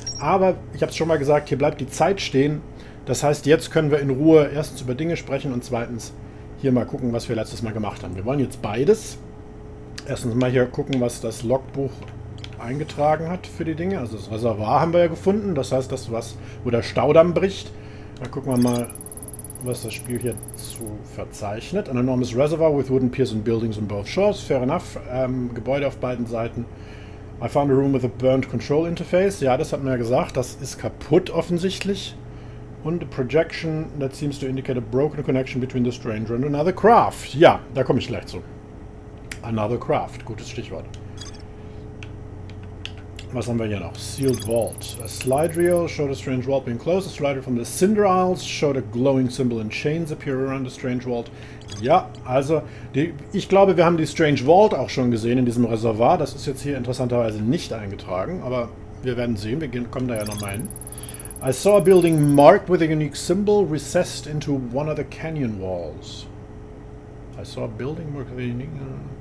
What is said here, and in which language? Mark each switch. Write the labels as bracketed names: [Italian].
[German] Aber ich habe es schon mal gesagt, hier bleibt die Zeit stehen. Das heißt, jetzt können wir in Ruhe erstens über Dinge sprechen und zweitens hier mal gucken, was wir letztes Mal gemacht haben. Wir wollen jetzt beides. Erstens mal hier gucken, was das Logbuch eingetragen hat für die Dinge. Also das Reservoir haben wir ja gefunden. Das heißt, das, was, wo der Staudamm bricht. Da gucken wir mal, was das Spiel hier zu verzeichnet. [English] An enormous reservoir with wooden piers and buildings on both shores. Fair enough. [German] Gebäude auf beiden Seiten. [English] I found a room with a burned control interface. [German] Ja, das hat man ja gesagt. Das ist kaputt offensichtlich. Und [English] a projection that seems to indicate a broken connection between the stranger and another craft. [German] Ja, da komme ich gleich zu. [English] Another craft. [German] Gutes Stichwort. Was haben wir hier noch? Sealed Vault. [English] A slide reel showed a strange vault being closed. A slide reel from the Cinder Isles showed a glowing symbol and chains appear around the strange vault. [German] Ja, also, ich glaube, wir haben die Strange Vault auch schon gesehen in diesem Reservoir. Das ist jetzt hier interessanterweise nicht eingetragen, aber wir werden sehen. Wir kommen da ja nochmal hin. [English] I saw a building marked with a unique symbol recessed into one of the canyon walls. I saw a building marked with a unique symbol.